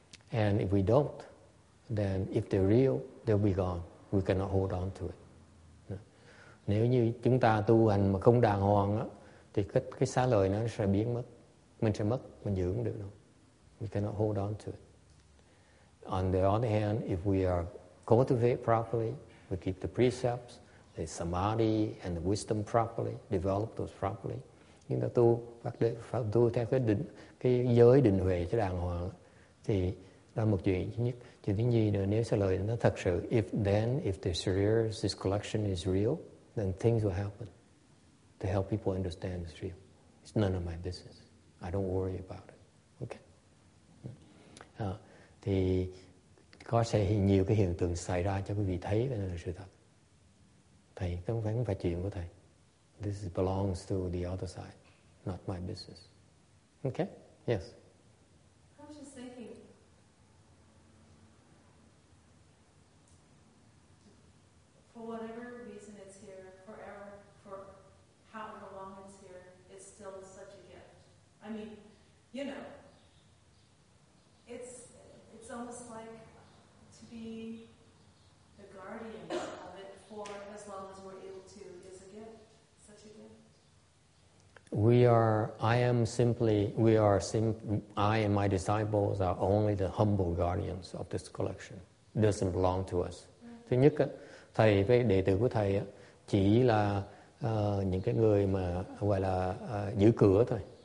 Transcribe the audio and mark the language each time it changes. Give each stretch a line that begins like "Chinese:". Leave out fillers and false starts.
English: And if we don't, then if they're real, they'll be gone. We cannot hold on to it.
Vietnamese: Nếu như chúng ta tu hành mà không đàng hoàng á, thì cái xá lợi nó sẽ biến mất. Mình sẽ mất, mình giữ không được đâu.
English: We cannot hold on to it. On the other hand, if we are cultivate properly, we keep the precepts, the samadhi and the wisdom properly, develop those properly.
Vietnamese: Nhưng ta tu phát đệ phát tu theo cái định cái giới định huệ cho đàng hoàng thì đó là một chuyện thứ nhất. Chuyện thứ nhì nữa, nếu sẽ lời nó thật sự,
English: if then if the series this collection is real, then things will happen to help people understand it's real. It's none of my business. I don't worry about it. Okay.
Vietnamese: Thì có sẽ nhiều cái hiện tượng xảy ra cho quý vị thấy cái này là sự thật. Thầy, tôi không phải không phải chuyện của thầy.
English: This belongs to the other side, not my business. Okay? Yes. I was just thinking, for whatever reason it's here, forever, for however long it's here, it's still such a gift. I mean, you know, it's almost like to be the guardian of it for as long as we're able to is a gift. I and my disciples are only the humble guardians of this collection. It doesn't belong to us.
Vietnamese: Thứ nhất, thầy với đệ tử của thầy chỉ là những cái người mà gọi là giữ cửa thôi.